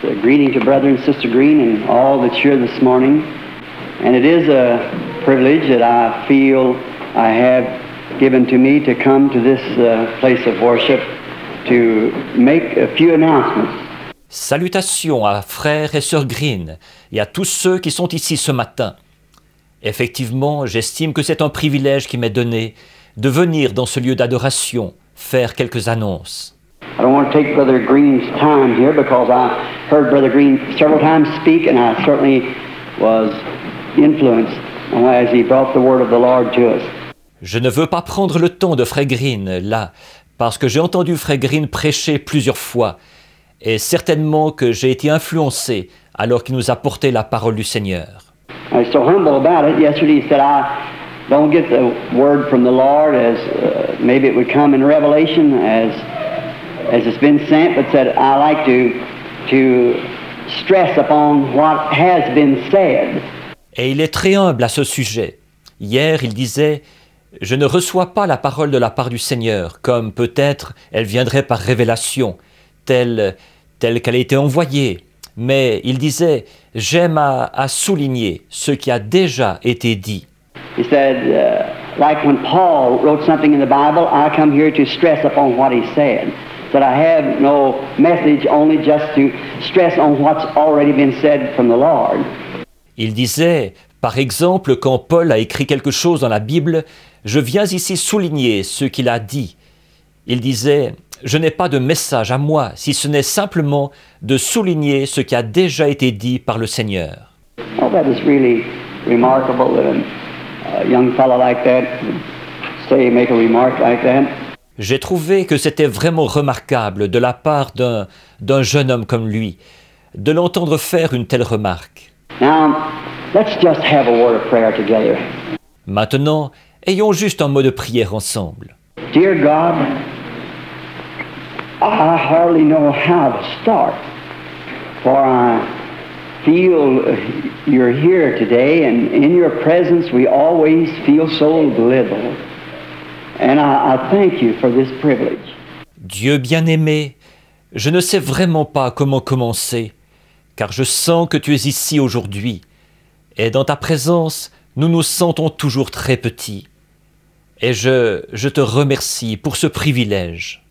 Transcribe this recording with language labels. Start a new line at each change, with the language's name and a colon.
English: Greeting to Brother and Sister Green and all that's here this morning. And it is a privilege that I feel I have given to me to come to this place of worship to make a few announcements.
French: Salutations à frères et sœurs Green et à tous ceux qui sont ici ce matin. Effectivement, j'estime que c'est un privilège qui m'est donné de venir dans ce lieu d'adoration faire quelques annonces.
English: I don't want to take Brother Green's time here because I heard Brother Green several times speak and I certainly was influenced as he brought the word of the Lord to us.
French: Je ne veux pas prendre le temps de Frère Green là parce que j'ai entendu Frère Green prêcher plusieurs fois et certainement que j'ai été influencé alors qu'il nous a porté la parole du Seigneur.
English: I was so humble about it. Yesterday he said I don't get the word from the Lord as maybe it would come in Revelation as it's been sent, but said I like to stress upon what has been said.
French: Et il est très humble à ce sujet. Hier, il disait, je ne reçois pas la parole de la part du Seigneur, comme peut-être elle viendrait par révélation, telle qu'elle a été envoyée. Mais il disait, j'aime à souligner ce qui a déjà été dit.
English: He said, like when Paul wrote something in the Bible, I come here to stress upon what he said. That I have no message, only just to stress on what's already been said from the Lord.
French: Il disait, par exemple, quand Paul a écrit quelque chose dans la Bible, je viens ici souligner ce qu'il a dit. Il disait, je n'ai pas de message à moi, si ce n'est simplement de souligner ce qui a déjà été dit par le Seigneur.
English: Oh, that is really remarkable that a young fellow like that say make a remark like that.
French: J'ai trouvé que c'était vraiment remarquable de la part d'un jeune homme comme lui, de l'entendre faire une telle remarque.
English: Now, let's just have a word of prayer together.
French: Maintenant, ayons juste un mot de prière ensemble.
English: Dear God, I hardly know how to start, for I feel you're here today, and in your presence we always feel so little. And I thank you for this privilege.
French: Dieu bien-aimé, je ne sais vraiment pas comment commencer, car je sens que tu es ici aujourd'hui, et dans ta présence, nous nous sentons toujours très petits. Et je te remercie pour ce privilège.